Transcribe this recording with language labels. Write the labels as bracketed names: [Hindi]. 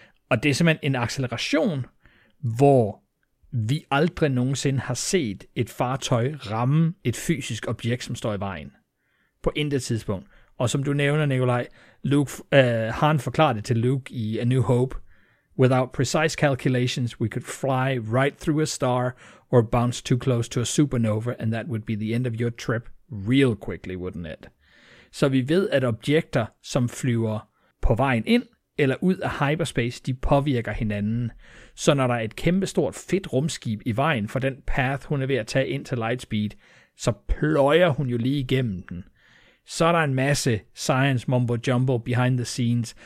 [Danish] Og det er simpelthen en acceleration, hvor vi aldrig nogensinde har set et fartøj ramme et fysisk objekt, som står i vejen. På intet tidspunkt. Og som du nævner, Nikolaj, Han forklarede det til Luke i A New Hope. [English] Without precise calculations, we could fly right through a star or bounce too close to a supernova, and that would be the end of your trip real quickly, wouldn't it? [Danish] Så vi ved, at objekter, som flyver på vejen ind eller ud af hyperspace, de påvirker hinanden. Så når der er et kæmpestort fedt rumskib i vejen for den path, hun er ved at tage ind til lightspeed, så pløjer hun jo lige igennem den. Så er der en masse [English] science mumbo jumbo behind the scenes.